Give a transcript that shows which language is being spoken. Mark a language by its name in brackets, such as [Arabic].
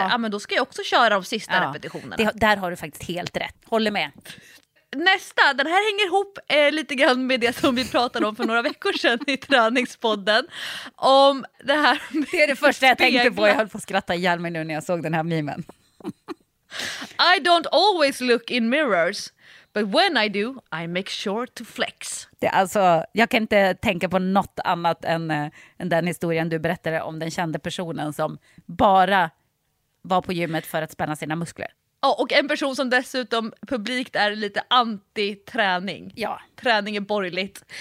[Swedish] Ja, men då ska jag också köra de sista repetitionerna. Det, där har du faktiskt helt rätt. Håller med. Nästa, den här hänger ihop lite grann med det som vi pratade om för några veckor sedan i träningspodden. Om det här. Det är det första jag tänkte på. Jag höll på att skratta ihjäl mig nu när jag såg den här memen. [English] I don't always look in mirrors, but when I do, I make sure to flex. [Swedish] Det är alltså, jag kan inte tänka på något annat än den historien du berättade om den kände personen som bara var på gymmet för att spänna sina muskler. Ja, och en person som dessutom publikt är lite anti-träning. Ja. Träning är borgerligt.